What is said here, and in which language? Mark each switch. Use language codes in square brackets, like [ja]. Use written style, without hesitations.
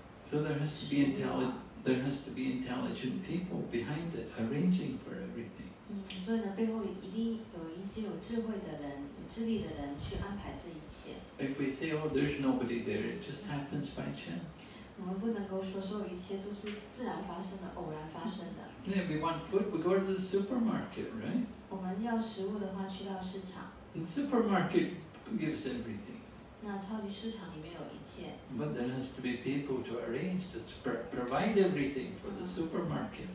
[en] So there has to be intelligent people behind it, arranging for everything. [zh] 所以呢，背后一定有一些有智慧的人、有智力的人去安排这一切。 [en] If we say, "Oh, there's nobody there," it just happens by chance. [zh] 我们不能够说所有一切都是自然发生的、偶然发生的。 [en] Yeah, we want food, we go to the supermarket, right? [zh] 我们要食物的话，去到市场。 [en] The supermarket gives everything. [zh] 那超级市场里面有一切。 [en] But there has to be people to arrange to provide everything for the supermarket.